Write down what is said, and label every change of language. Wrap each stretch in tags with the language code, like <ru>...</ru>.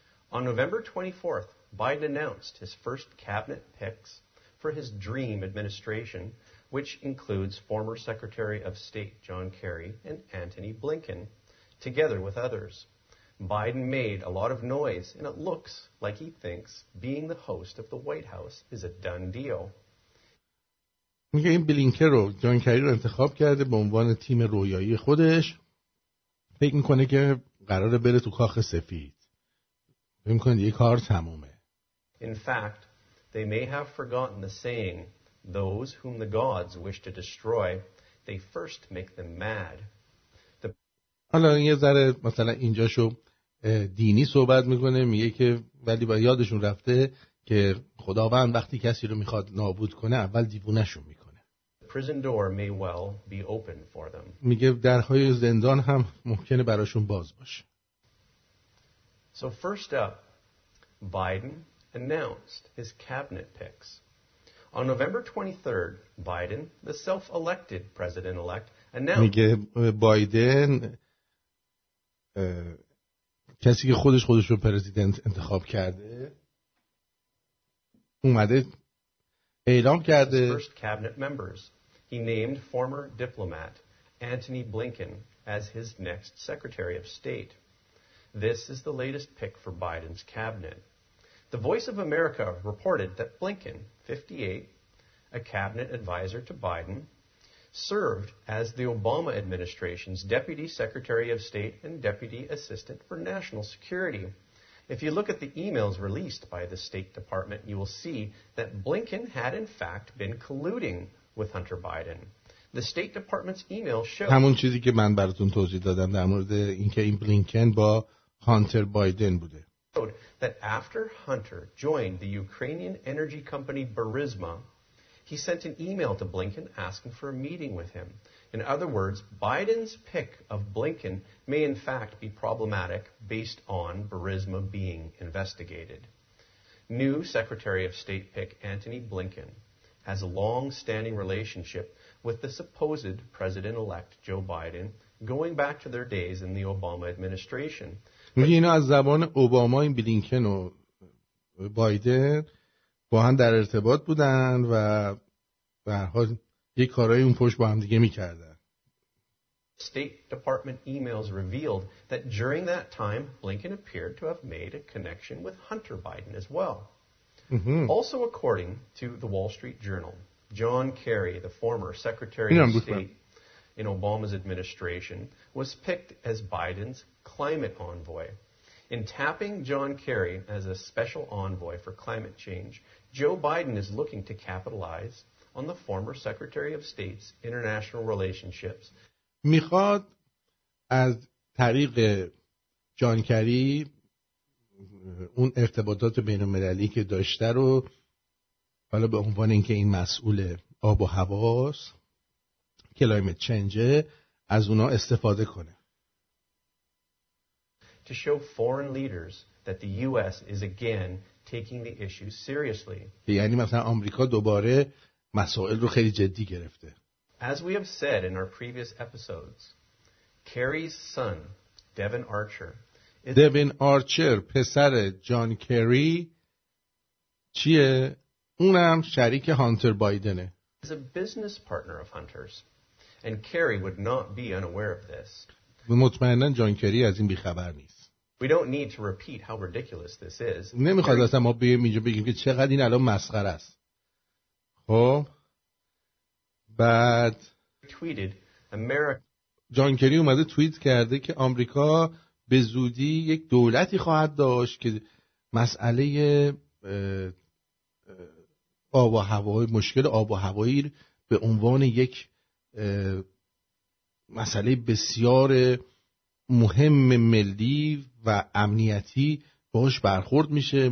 <en>On November 24th, Biden announced his first cabinet picks for his dream administration, which includes former Secretary of State John Kerry and Antony Blinken, together with others. Biden made a lot of noise, and it looks like he thinks being the host of the White House is a done deal.</en> <fa>میگه این بلینکر رو، جان کری رو انتخاب کرده به عنوان تیم رویایی خودش، فکر میکنه که قراره بره تو کاخ سفید، فکر میکنه یه کار تمومه.</fa> <en>In fact, they may have forgotten the saying, those whom the gods wish to destroy, they first make them mad.</en> <fa>حالا یه ذره مثلا اینجاشو دینی صحبت میکنه، میگه که ولی با یادشون رفته که خداوند وقتی کسی رو میخواد نابود کنه اول دیوونه‌شون میکنه.</fa> <en>Prison door may well be open for them.</en> <fa>میگه درهای زندان هم ممکنه براشون باز باشه.</fa> <en>So first up, Biden announced his cabinet picks. On November 23rd, Biden, the self-elected president-elect, announced.</en> <fa>میگه بایدن کسی که خودش رو پرزیدنت انتخاب کرده، اومده اعلام کرده.</fa> <en>First cabinet members, he named former diplomat Antony Blinken as his next Secretary of State. This is the latest pick for Biden's cabinet. The Voice of America reported that Blinken, 58, a cabinet advisor to Biden, served as the Obama administration's Deputy Secretary of State and Deputy Assistant for National Security. If you look at the emails released by the State Department, you will see that Blinken had in fact been colluding with Hunter Biden. The State Department's email shows.</en> <fa>همون چیزی که من براتون توضیح دادم در مورد اینکه این بلینکن با هانتر بایدن بوده.</fa> <en>That after Hunter joined the Ukrainian energy company Burisma, he sent an email to Blinken asking for a meeting with him. In other words, Biden's pick of Blinken may in fact be problematic based on Burisma being investigated. New Secretary of State pick Antony Blinken has a long-standing relationship with the supposed president-elect Joe Biden going back to their days in the Obama administration.</en> <fa>اینا از زبان اوباما، این بلینکن و بایدن با هم در ارتباط بودن و به هر حال یه کارهای اون پشت با هم دیگه می‌کردن.</fa> <en>State Department emails revealed that during that time Blinken appeared to have made a connection with Hunter Biden as well. Also according to the Wall Street Journal, John Kerry, the former Secretary of State in Obama's administration, was picked as Biden's climate envoy. In tapping John Kerry as a special envoy for climate change, Joe Biden is looking to capitalize on the former Secretary of State's international relationships.</en> <fa>میخواد از طریق جان کری اون ارتباطات بین‌المللی که داشته رو، حالا به عنوان اینکه این مسئول آب و هواست، کلایمت چنج، از اونا استفاده کنه.</fa> <en>To show foreign leaders that the US is again taking the issue seriously.</en> <fa>یعنی مثلا آمریکا دوباره مسائل رو خیلی جدی گرفته.</fa> <en>As we have said in our previous episodes, Kerry's son, Devin Archer.</en> <fa>Devin Archer, پسر جان کری چیه؟ اونم شریک هانتر بایدنه.</fa> <en>He's a business partner of Hunter's. And Kerry would not be unaware of this.</en> <fa>مطمئناً جان کری از این بیخبر نیست.</fa> <en>We don't need to repeat how ridiculous this is.</en> <fa>نمیخواد اصلا ما بیایم اینجا بگیم که چقدر این الان مسخره است. خب بعد</fa> <en>tweeted America</en> <fa>جان کری اومده توییت کرده که آمریکا به زودی یک دولتی خواهد داشت که مسئله آب و هوای مشکل آب و هوایی به عنوان یک مسئله بسیار مهم ملی و امنیتی باش برخورد میشه.</fa>